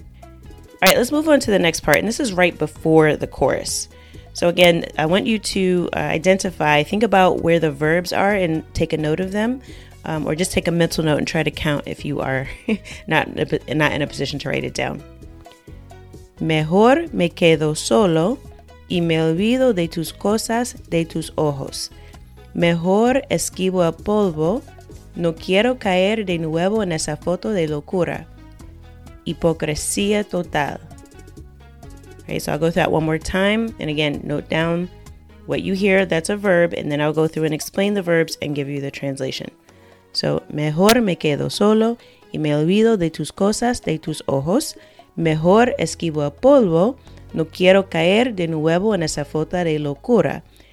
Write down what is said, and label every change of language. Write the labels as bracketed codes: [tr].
[en] All right, let's move on to the next part, and this is right before the chorus. So again, I want you to think about where the verbs are and take a note of them, or just take a mental note and try to count if you are not in a position to write it down. [es] Mejor me quedo solo y me olvido de tus cosas, de tus ojos. Mejor esquivo el polvo. No quiero caer de nuevo en esa foto de locura. Hipocresía total. [en] Okay, so I'll go through that one more time. And again, note down what you hear, that's a verb, and then I'll go through and explain the verbs and give you the translation. [es] So, mejor me quedo solo y me olvido de tus cosas, de tus ojos. Mejor esquivo el polvo. No quiero caer de nuevo en esa foto de locura.